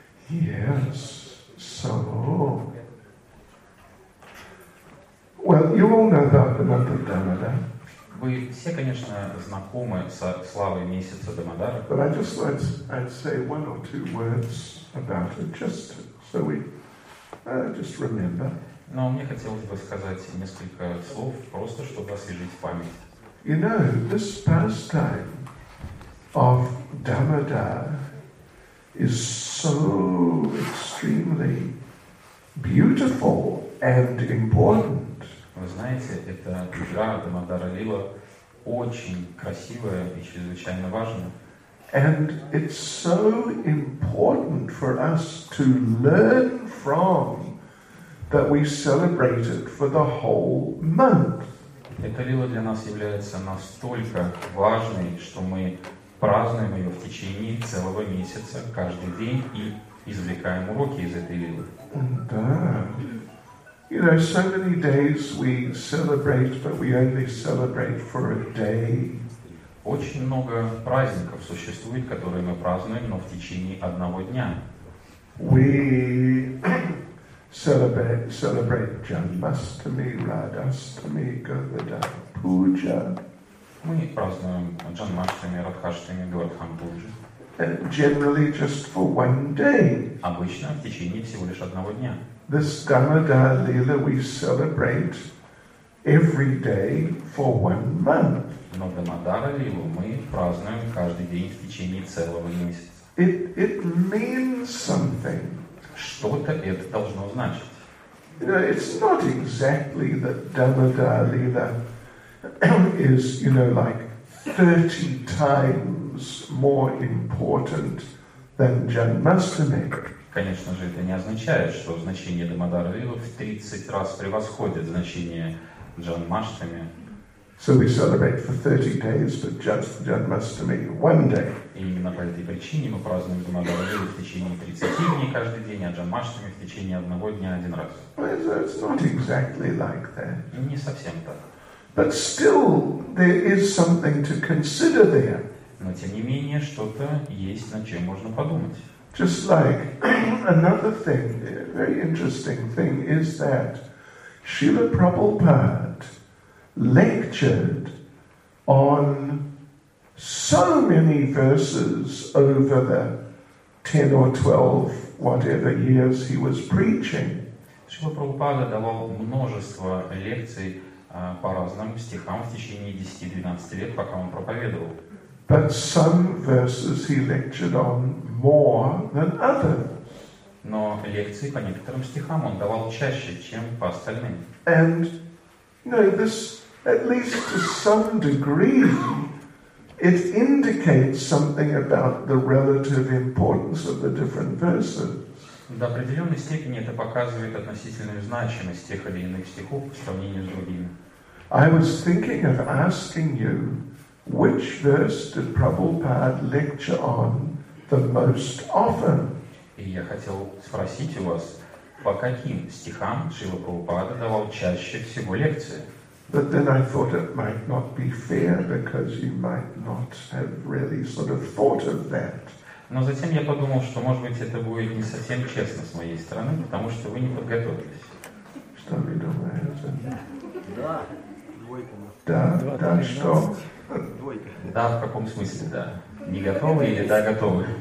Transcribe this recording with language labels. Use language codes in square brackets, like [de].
[en] Yes, so, well, you all know about the month of Damodar. [ru] Вы все, конечно, знакомы со славой месяца Дамодара. [en] But I just want to say one or two words about it, just so we just remember. [ru] Но мне хотелось бы сказать несколько слов, просто чтобы освежить память. [en] You know, this pastime of Damodar is so extremely beautiful and important. [ru] Вы знаете, эта игра Дамодара Лила очень красивая и чрезвычайно важна. [en] And it's so important for us to learn from that we celebrate it for the whole month. [ru] Эта лила для нас является настолько важной, что мы празднуем ее в течение целого месяца, каждый день, и извлекаем уроки из этой лилы. Да. [en] You know, so many days we celebrate, but we only celebrate for a day. [ru] Очень много праздников существует, которые мы празднуем, но в течение одного дня. [en] We celebrate Janmashtami, Radhashtami, Govardhana Puja. [ru] Мы празднуем Джанмаштами, Радхаштами, Говардхан Пуджи. [en] Generally just for one day. [ru] Обычно в течение всего лишь одного дня. [en] This Damodar Lila we celebrate every day for one month. [ru] Но Дамодара Лилу мы празднуем каждый день в течение целого месяца. [en] It means something. [ru] Что-то это должно значить. [en] You know, it's not exactly that Damodar Lila is, you know, like 30 times more important than Janmashtami. [ru] Конечно же, это не означает, что значение Дамодара Лилы в 30 раз превосходит значение Джанмаштами. [en] So we celebrate for 30 days, but just Janmashtami one day. [ru] И именно по этой причине мы празднуем Дамодара Лилу в течение 30 дней каждый день, а Джанмаштами в течение одного дня один раз. [en] It's not exactly like that. [ru] Не совсем так. [en] But still, there is something to consider there. [ru] Но тем не менее, что-то есть, над чем можно подумать. [en] Just like another thing, a very interesting thing is that Srila Prabhupada lectured on so many verses over the 10 or 12 whatever years he was preaching. [ru] Srila Prabhupada давал множество лекций по разным стихам в течение 10-12 лет, пока он проповедовал. [en] But some verses he lectured on more than others. [ru] Но лекции по некоторым стихам он давал чаще, чем по остальным. [en] And, you know, this, at least to some degree, it indicates something about the relative importance of the different verses. [ru] До определенной степени это показывает относительную значимость тех или иных стихов по сравнению с другими. [en] I was thinking of asking you, which verse did Prabhupada lecture on the most often? [ru] И я хотел спросить у вас, по каким стихам Шрила Прабхупада давал чаще всего лекции? [en] But then I thought it might not be fair because you might not have really sort of thought of that. [ru] Но затем я подумал, что, может быть, это будет не совсем честно с моей стороны, потому что вы не подготовились. Что вы думаете? Да, двойка у нас. Да, да, что? Двойка. Да, в каком смысле, да? Не готовы или да, готовы?